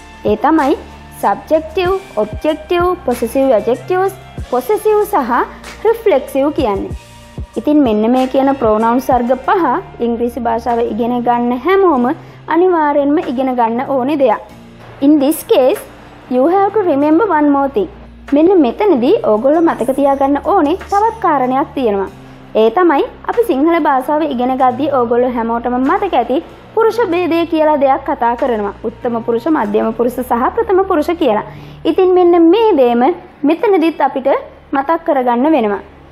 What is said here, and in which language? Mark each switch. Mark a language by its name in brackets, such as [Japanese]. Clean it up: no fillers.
[Sinhala] ඒ තමයි subjective, objective, පොසෙසිව් ඇජෙක්ටිව්ස්, පොසෙසිව් සහ රිෆ්ලෙක්සිව් කියන්නේ. ඉතින් මෙන්න මේ කියන ප්‍රොනවුන්ස් වර්ග පහ ඉංග්‍රීසි භාෂාව ඉගෙන ගන්න හැමෝම අනිවාර්යෙන්ම ඉගෙන ගන්න ඕනේ දෙයක්. [English] In this case, you have to remember one more thing. [Sinhala] මෙන්න මෙතනදී ඕගොල්ලෝ මතක තියාගන්න ඕනේ තවත් කාරණයක් තියෙනවා. ඒ තමයි අපි සිංහල භාෂාව ඉගෙන ගද්දී ඕගොල්ලෝ හැමෝටම මතක ඇති පුරුෂ භේදය කියලා දෙයක් කතා කරනවා. උත්තම පුරුෂ, මධ්‍යම පුරුෂ සහ ප්‍රථම පුරුෂ කියලා. ඉතින් මෙන්න මේ දේම මෙතනදිත් අපිට මතක් කරගන්න වෙනවා.